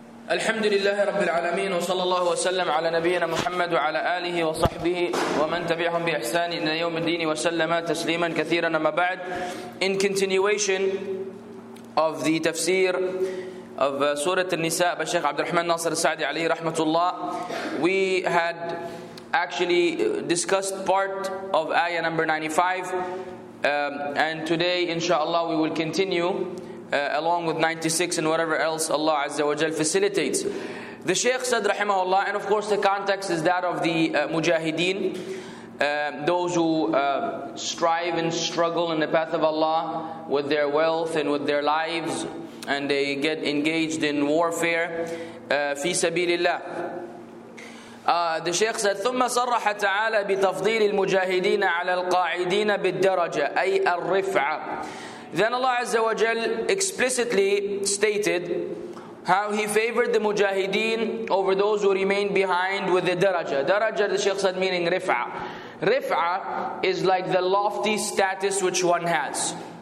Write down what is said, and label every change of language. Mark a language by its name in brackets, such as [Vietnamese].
[Arabic] الحمد لله رب العالمين وصلى الله وسلم على نبينا محمد وعلى آله وصحبه ومن تبعهم بإحسان إلى يوم الدين وسلم تسليما كثيرا. أما بعد, [English] in continuation of the tafsir of Surah An-Nisa by Sheikh Abdul Rahman Nasir Al-Sa'di [Arabic] عليه رحمة الله, [English] we had actually discussed part of ayah number 95, and today inshallah we will continue along with 96 and whatever else Allah Azza wa Jal facilitates. The Shaykh said, rahimahullah, and of course the context is that of the mujahideen, those who strive and struggle in the path of Allah with their wealth and with their lives, and they get engaged in warfare, fi sabilillah. The Shaykh said, [Arabic] ثم صرح تعالى بتفضيل المجاهدين على القاعدين بالدرجة أي الرفعة. [English] Then Allah Azza wa Jal explicitly stated how He favored the mujahideen over those who remained behind with the daraja. Daraja, the Shaykh said, meaning rif'a. Rif'a is like the lofty status which one has.